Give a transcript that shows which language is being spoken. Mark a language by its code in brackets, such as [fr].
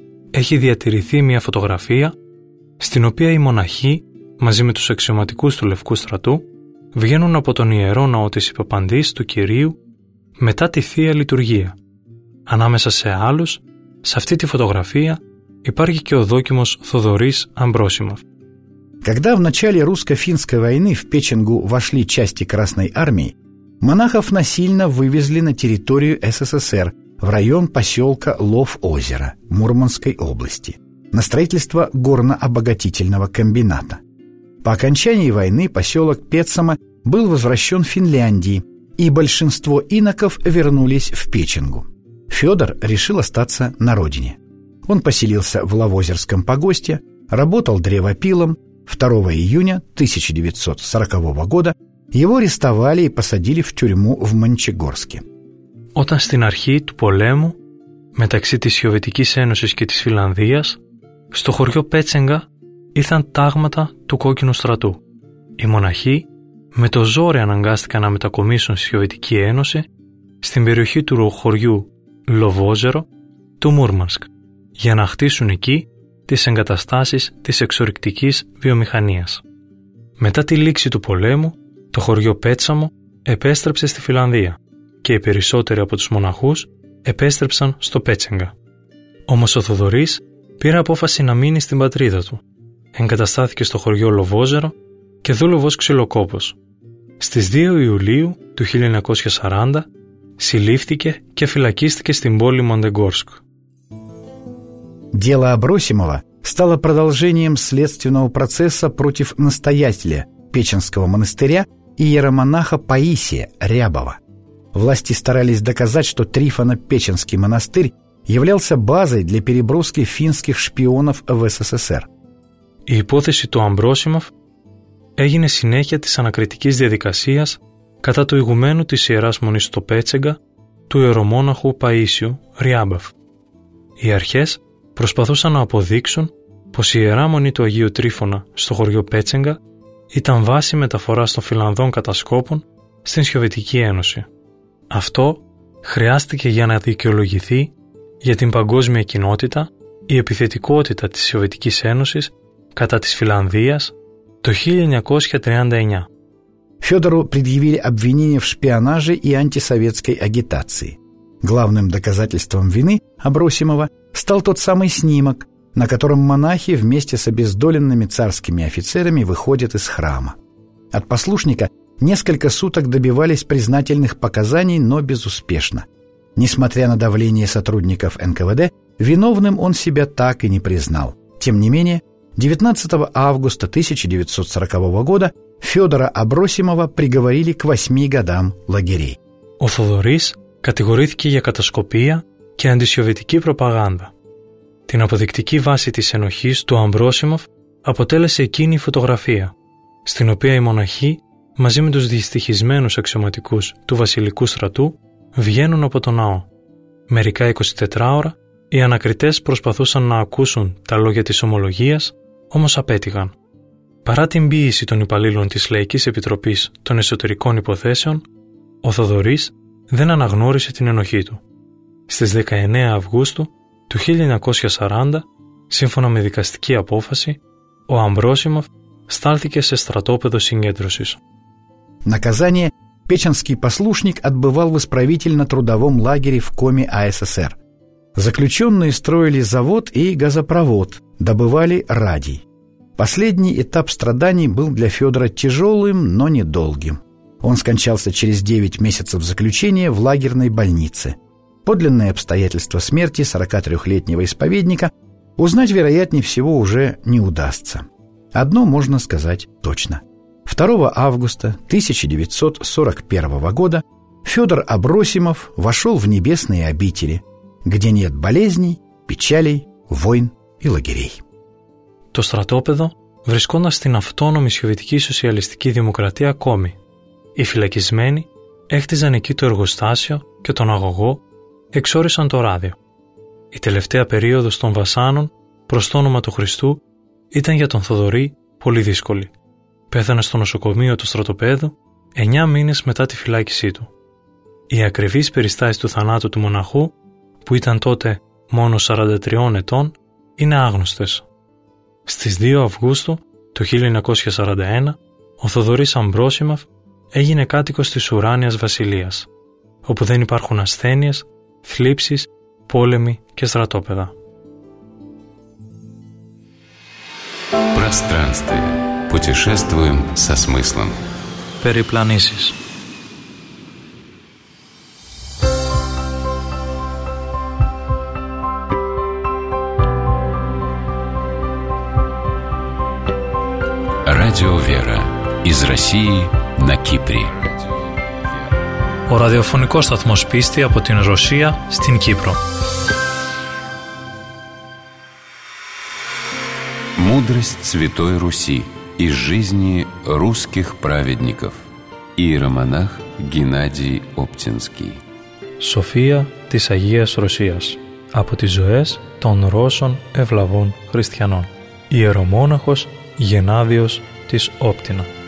[el] Έχει διατηρηθεί μια φωτογραφία, στην οποία οι μοναχοί, μαζί με τους αξιωματικούς του Λευκού Στρατού, βγαίνουν από τον Ιερό Ναό της Υπαπαντής του Κυρίου μετά τη Θεία Λειτουργία. Ανάμεσα σε άλλους, σε αυτή τη φωτογραφία, υπάρχει και ο δόκιμος Θοδωρής Αμπρόσιμαφ. [ru] Когда в начале русско-финской войны в Печенгу вошли части Красной Армии, монахов насильно вывезли на территорию СССР в район поселка Лов-Озеро Мурманской области на строительство горно-обогатительного комбината. По окончании войны поселок Петсама был возвращен Финляндии, и большинство иноков вернулись в Печенгу. Федор решил остаться на родине. Он поселился в Лавозерском погосте, работал древопилом. 2 июня 1940 года его арестовали и посадили в тюрьму в Мончегорске. [el] Όταν στην αρχή του πολέμου, μεταξύ της Σοβιετικής Ένωσης και της Φιλανδίας, στο χωριό Πέτσεγκα ήρθαν τάγματα του κόκκινου στρατού. Οι μοναχοί με το ζόρι αναγκάστηκαν να μετακομίσουν στη Σοβιετική Ένωση, στην περιοχή του χωριού Λοβόζερο, του Μούρμανσκ, για να χτίσουν εκεί τις εγκαταστάσεις της εξορυκτικής βιομηχανίας. Μετά τη λήξη του πολέμου, το χωριό Πέτσαμο επέστρεψε στη Φιλανδία και οι περισσότεροι από τους μοναχούς επέστρεψαν στο Πέτσεγκα. Όμως ο Θοδωρής πήρε απόφαση να μείνει στην πατρίδα του. Εγκαταστάθηκε στο χωριό Λοβόζερο και δούλευε ως ξυλοκόπος. Στις 2 Ιουλίου του 1940 συλλήφθηκε και φυλακίστηκε στην πόλη Μοντεγκόρσκ. [ru] Дело Абросимова стало продолжением следственного процесса против настоятеля Печенского монастыря и иеромонаха Паисия Рябова. Власти старались доказать, что Трифоно-Печенский монастырь являлся базой для переброски финских шпионов в СССР. [el] Η υπόθεση του Αμπρόσιμοφ έγινε συνέχεια της ανακριτικής διαδικασίας κατά του ηγουμένου της Ιεράς Μονής στο Πέτσεγκα, του ιερομόναχου Παΐσιου Ριάμπαφ. Οι αρχές προσπαθούσαν να αποδείξουν πως η Ιερά Μονή του Αγίου Τρίφωνα στο χωριό Πέτσεγκα ήταν βάση μεταφοράς των Φιλανδών κατασκόπων στην Σοβιετική Ένωση. Αυτό χρειάστηκε για να δικαιολογηθεί για την παγκόσμια κοινότητα η επιθετικότητα της Σοβιετικής Ένωσης κατά της Φιλανδίας το 1939. [ru] Федору предъявили обвинение в шпионаже и антисоветской агитации. Главным доказательством вины Абросимова стал тот самый снимок, на котором монахи вместе с обездоленными царскими офицерами выходят из храма. От послушника несколько суток добивались признательных показаний, но безуспешно. Несмотря на давление сотрудников НКВД, виновным он себя так и не признал. Тем не менее, 19 августа 1940 года Федора Абросимова приговорили к 8 годам лагерей. [el] Ο Θοδωρής κατηγορήθηκε για κατασκοπία και αντισοβιετική προπαγάνδα. Την αποδεικτική βάση της ενοχής του Αμπρόσιμοφ αποτέλεσε εκείνη η φωτογραφία, στην οποία οι μοναχοί μαζί με τους δυστυχισμένους αξιωματικούς του βασιλικού στρατού βγαίνουν από το ναό. Μερικά 24 ώρα οι ανακριτές προσπαθούσαν να ακούσουν τα λόγια της ομολογίας, όμως απέτυχαν. Παρά την πίεση των υπαλλήλων της Λαϊκής Επιτροπής των Εσωτερικών Υποθέσεων, ο Θοδωρής δεν αναγνώρισε την ενοχή του. Στις 19 Αυγούστου του 1940, σύμφωνα με δικαστική απόφαση, ο Αμπρόσιμοφ στάλθηκε σε στρατόπεδο συγκέντρωσης. [ru] Наказание печенский послушник отбывал в исправительно трудовом лагере в Коми АССР. Заключенные строили завод и газопровод, добывали радий. Последний этап страданий был для Федора тяжелым, но недолгим. Он скончался через 9 месяцев заключения в лагерной больнице. Подлинные обстоятельства смерти 43-летнего исповедника узнать, вероятнее всего, уже не удастся. Одно можно сказать точно. 2 августа 1941 года Федор Абросимов вошел в небесные обители, где нет болезней, печалей, войн и лагерей. [el] Το στρατόπεδο βρισκόταν στην αυτόνομη Σοβιετική Σοσιαλιστική Δημοκρατία ακόμη. Οι φυλακισμένοι έχτιζαν εκεί το εργοστάσιο και τον αγωγό εξόρισαν το ράδιο. Η τελευταία περίοδος των βασάνων προς το όνομα του Χριστού ήταν για τον Θοδωρή πολύ δύσκολη. Πέθανε στο νοσοκομείο του στρατοπέδου 9 μήνες μετά τη φυλάκισή του. Οι ακριβείς περιστάσεις του θανάτου του μοναχού, που ήταν τότε μόνο 43 ετών, είναι άγνωστες. Στις 2 Αυγούστου του 1941, ο Θοδωρής Αμπρόσιμοφ έγινε κάτοικος της Ουράνιας Βασιλείας, όπου δεν υπάρχουν ασθένειες, θλίψεις, πόλεμοι και στρατόπεδα. [ru] Пространстве. Путешествуем со смыслом. [el] Περιπλανήσεις. [ru] Радио Вера из России на Кипре. [el] О радиофонико сатмос писти από την Ρωσία στην Κύπρο. [ru] Мудрость Святой Руси из жизни русских праведников. Иеромонах Геннадий Оптинский. [el] София της Αγίας Ρωσίας από τις ζωές των Ρώσων ευλαβών χριστιανών. Ιερομόναχος Γενάδιος της Όπτινα.